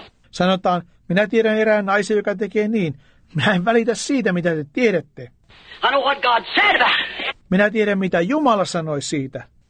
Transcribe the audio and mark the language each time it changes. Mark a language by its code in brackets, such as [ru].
[fi] Sanotaan, minä tiedän erään naisen, joka tekee niin. Minä en välitä siitä, mitä te tiedätte. [en] I know what God said about it. [fi] Minä tiedän, mitä Jumala sanoi siitä.